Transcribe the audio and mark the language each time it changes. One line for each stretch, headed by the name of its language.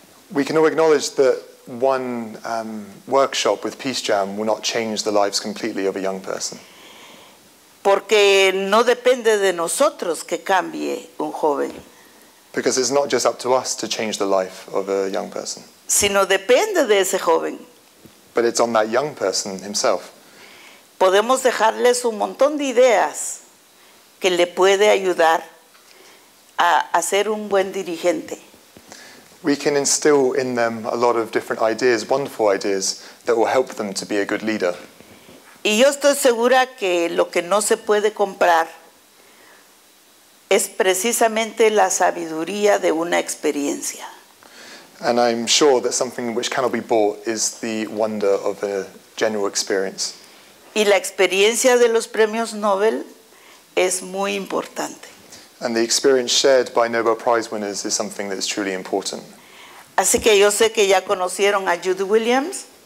English: We can all acknowledge that one workshop with Peace Jam will not change the lives completely of a young person.
Spanish: Porque no depende de nosotros que cambie un joven.
English: Because it's not just up to us to change the life of a young person.
Spanish: Sino depende de ese joven.
English: But it's on that young person himself.
Spanish: Podemos dejarles un montón de ideas que le puede ayudar a ser un buen dirigente.
English: We can instill in them a lot of different ideas, wonderful ideas, that will help them to be a good leader.
Spanish: Y yo estoy segura que lo que no se puede comprar es precisamente la sabiduría de una experiencia.
English: And I'm sure that something which cannot be bought is the wonder of a general experience.
Spanish: Y la experiencia de los premios Nobel es muy importante.
English: And the experience shared by Nobel Prize winners is something that is truly important.
Spanish: Así que yo sé que ya conocieron a Jude Williams.